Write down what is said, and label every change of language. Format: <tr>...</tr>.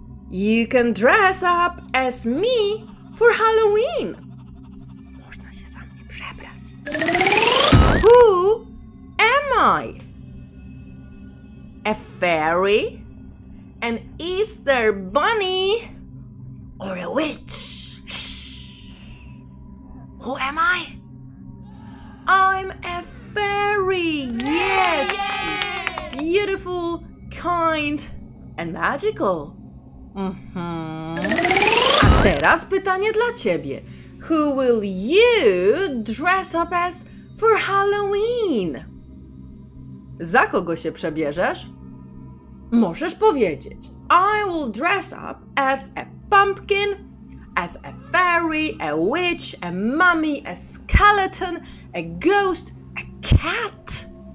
<en>You can dress up as me for Halloween.</en> <pl>Można się za mnie przebrać.</pl> <en>Who am I? A fairy? An Easter bunny? Or a witch? Shh. Who am I? I'm a fairy! Yes! Yay! She's beautiful, kind and magical.</en> <pl>Mm-hmm. A teraz pytanie dla ciebie.</pl> <en>Who will you dress up as for Halloween?</en> <pl>Za kogo się przebierzesz? Możesz powiedzieć.</pl> <en>I will dress up as a pumpkin, as a fairy, a witch, a mummy, a skeleton, a ghost, a cat.</en>